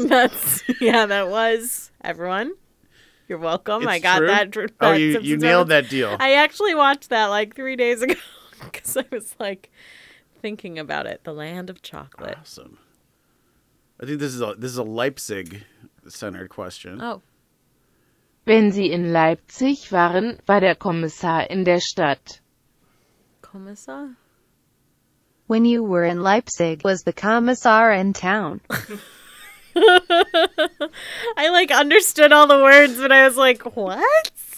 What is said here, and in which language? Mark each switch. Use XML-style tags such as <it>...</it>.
<en>That was... Everyone, you're welcome. It's I got true. That Oh, you nailed that deal. I actually watched that like 3 days ago because I was like thinking about it. The land of chocolate. Awesome. I think this is a Leipzig-centered question. Oh.</en> <de>Wenn Sie in Leipzig waren, war der Kommissar in der Stadt... Kommissar?</de> <en>When you were in Leipzig, was the commissar in town? I like understood all the words, but I was like, what?</en>